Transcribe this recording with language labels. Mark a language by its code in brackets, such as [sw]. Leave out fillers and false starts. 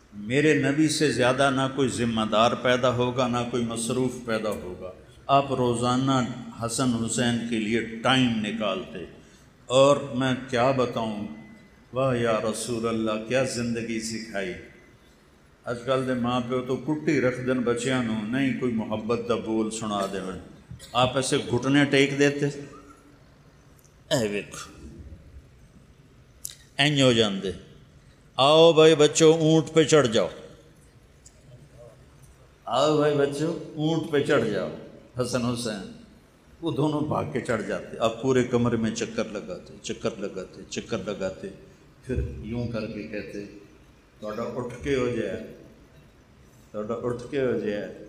[ur] میرے نبی سے زیادہ نہ کوئی ذمہ دار پیدا ہوگا نہ کوئی مصروف پیدا ہوگا. آپ روزانہ حسن حسین کے لیے ٹائم نکالتے. اور میں کیا بتاؤں, واہ یا رسول اللہ کیا زندگی سکھائی. [pa] آج کل دے ماں پیو تو کٹی رکھ دن بچیاں نو, نہیں کوئی محبت دا بول سنا دے. [ur] آپ ایسے گھٹنے ٹیک دیتے, [pa] اے ویکھ این ہو جاندے, [ur] آؤ بھائی بچو اونٹ پہ چڑھ جاؤ, آؤ بھائی بچو اونٹ پہ چڑھ جاؤ. حسن حسین وہ دونوں بھاگ کے چڑھ جاتے. آپ پورے کمرے میں چکر لگاتے چکر لگاتے چکر لگاتے, پھر یوں کر کے کہتے تھوڑا اٹھ کے ہو جائے, تھوڑا اٹھ کے ہو جائے.